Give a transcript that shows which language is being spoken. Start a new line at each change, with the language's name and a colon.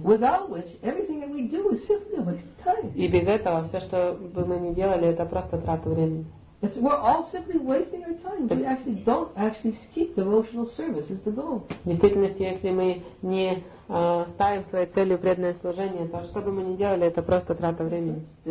English: Without which everything that we do is simply a waste of time.
Russian: И без этого все, что бы мы ни делали, это просто трата времени.
English: It's, we're all simply wasting our time. We actually don't actually keep devotional service as the goal.
Russian: В действительности, если мы не ставим своей целью преданное служение, то что бы мы ни делали, это просто трата времени.